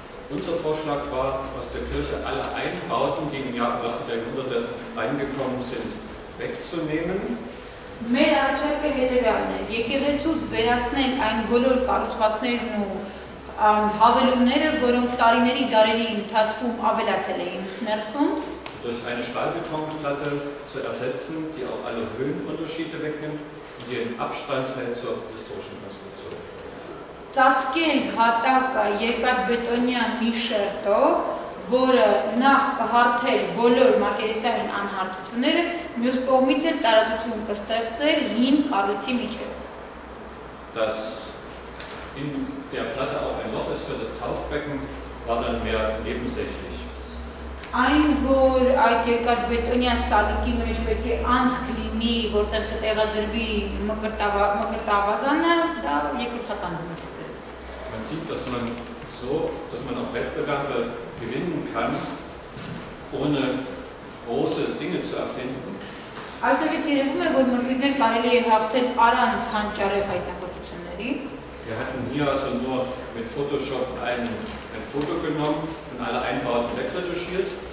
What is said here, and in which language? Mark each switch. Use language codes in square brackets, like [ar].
[de] Unser Vorschlag war, aus der Kirche alle Einbauten, die im Laufe der Jahrhunderte reingekommen sind, wegzunehmen. [hy] Մեր արժեքը հետևյալն է. Եկեղեցուց վերացնենք այն բոլոր կառուցվածքներն ու հավելումները, որոնք տարիների դարերի ընթացքում ավելացել էին ներսում։ [de] Durch eine Stahlbetonplatte zu ersetzen, die auch alle Höhenunterschiede wegnimmt und den Abstand hält zur historischen Konstruktion. [hy] Ծածկել հատակը երկաթբետոնյա մի շերտով, որը նախ կհարթեր բոլոր մակերեսային անհարթությունները, մյուս կողմից էլ տարածություն կստեղծեր հին կառույցի միջև։ [de] Das in der Platte auch ein Loch ist für das Taufbecken, war dann mehr nebensächlich. [hy] Այն, որ այդ երկաթբետոնյա սալիկի մեջ պետք է անցք լինի, որտեղ կտեղադրվի մկրտավազանը, դա երկրորդական դեր է դրել։ [de] Man sieht, dass man so, dass man auch Wettbewerbe gewinnen kann, ohne große Dinge zu erfinden. Also jetzt hier haben wir uns in den Parallelhaften Aranzhandjarefaitnerpositioneri. Wir hatten hier also nur mit Photoshop ein Foto genommen und alle Einbauten wegretuschiert.